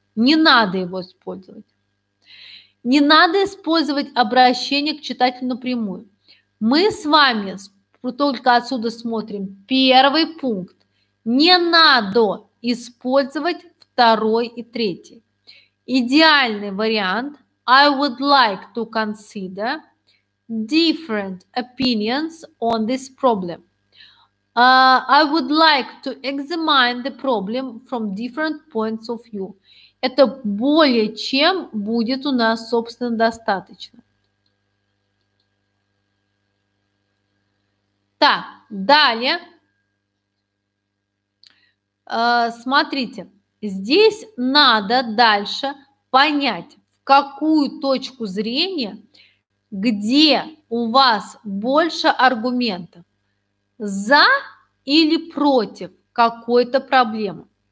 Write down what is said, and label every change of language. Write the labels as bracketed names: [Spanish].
[Russian] Не надо его использовать. Не надо использовать обращение к читателю напрямую. Мы с вами только отсюда смотрим первый пункт. Не надо использовать второй и третий. Идеальный вариант. [English] I would like to consider different opinions on this problem. I would like to examine the problem from different points of view. [Russian] Это более чем будет у нас, собственно, достаточно. Так, далее, смотрите, здесь надо дальше понять, в какую точку зрения, где у вас больше аргументов, за или против какой-то проблемы.